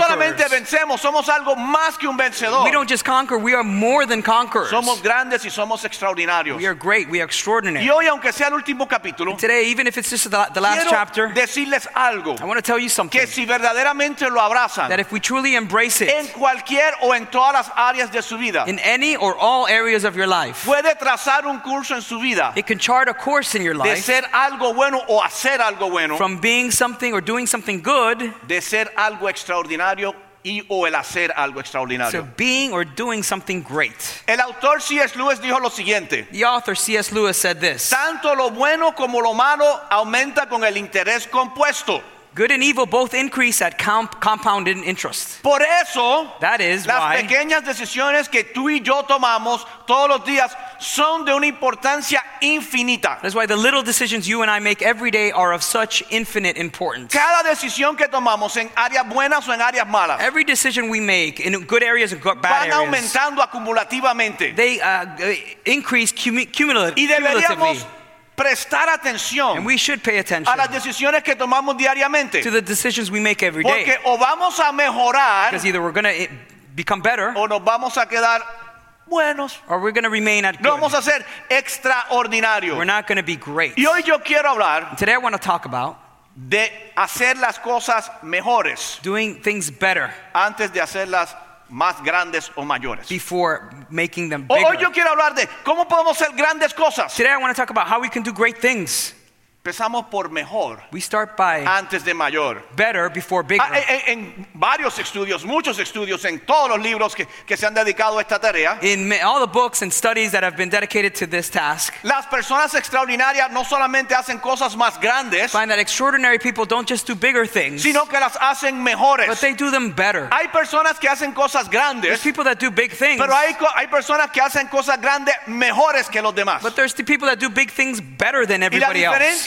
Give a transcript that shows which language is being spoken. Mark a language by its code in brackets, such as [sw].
[es] No solamente vencemos, somos algo más que un vencedor. [en] We don't just conquer, we are more than conquerors. [es] Somos grandes y somos extraordinarios. [en] We are great, we are extraordinary. [es] Y hoy, aunque sea el último capítulo, [en] and today, even if it's just the the last chapter. [es] Decirles algo. [en] I want to tell you something. [es] Que si verdaderamente lo abrazan, [en] that if we truly embrace it, [es] en cualquier o en todas las áreas de su vida, [en] in any or all areas of your life, [es] puede trazar un curso en su vida, [en] it can chart a course in your life, [es] de ser algo bueno o hacer algo bueno, [en] from being something or doing something good, [es] de ser algo extraordinario y o el hacer algo extraordinario. [en] So being or doing something great. [es] El autor C.S. Lewis dijo lo siguiente. [en] The author C.S. Lewis said this. [es] Tanto lo bueno como lo malo aumenta con el interés compuesto. [en] Good and evil both increase at compounded interest. [es] Por eso, [en] that is [es] las [en] why, [es] pequeñas decisiones que tú y yo tomamos todos los días son de una importancia infinita. [en] That's why the little decisions you and I make every day are of such infinite importance. [es] Cada decisión que tomamos en áreas buenas o en áreas malas, [en] every decision we make in good areas and bad areas, [es] van aumentando acumulativamente. [en] They increase cumulatively. [es] Y deberíamos prestar atención, [en] and we should pay attention, [es] a las decisiones que tomamos diariamente, [en] to the decisions we make every day. [es] Porque o vamos a mejorar, [en] because either we're going to become better, [es] o nos vamos a quedar buenos, [en] or we're going to remain at good. [es] No vamos a ser extraordinario. [en] We're not going to be great. [es] Y hoy yo quiero hablar, [en] and today I want to talk about, [es] de hacer las cosas mejores, [en] doing things better, [es] antes de hacerlas más grandes o mayores. [en] Before making them bigger. [es] Hoy yo quiero hablar de cómo podemos hacer grandes cosas. [en] Today I want to talk about how we can do great things. [es] Empezamos por mejor. [en] We start by [es] antes de mayor. [en] Better before bigger. [es] En varios estudios, muchos estudios, en todos los libros que se han dedicado a esta tarea. [en] In all the books and studies that have been dedicated to this task. [es] Las personas extraordinarias no solamente hacen cosas más grandes. [en] Find that extraordinary people don't just do bigger things. [es] Sino que las hacen mejores. [en] But they do them better. [es] Hay personas que hacen cosas grandes. [en] There's people that do big things. [es] Pero hay personas que hacen cosas grandes mejores que los demás. [en] But there's the people that do big things better than everybody else.